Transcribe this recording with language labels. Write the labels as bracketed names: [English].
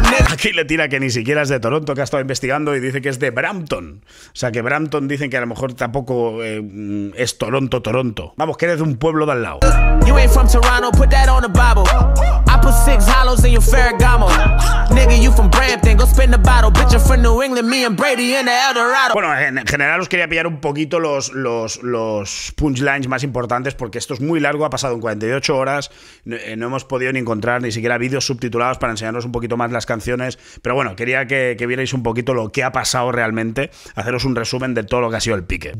[Spanish] Aquí le tira que ni siquiera es de Toronto, que ha estado investigando y dice que es de Brampton. O sea, que Brampton dicen que a lo mejor tampoco es Toronto, Toronto. Vamos, que eres de un pueblo de al lado. [English] You ain't from Toronto, put that on the Bible. I put six hollows in your Ferragamo. Nigga, you from Brampton, go spin the bottle. Bitch, you're from New England, me and Brady. [Spanish] Bueno, en general os quería pillar un poquito los punchlines más importantes, porque esto es muy largo, ha pasado en 48 horas, no hemos podido ni encontrar ni siquiera vídeos subtitulados para enseñaros un poquito más las canciones, pero bueno, quería que vierais un poquito lo que ha pasado realmente, haceros un resumen de todo lo que ha sido el pique.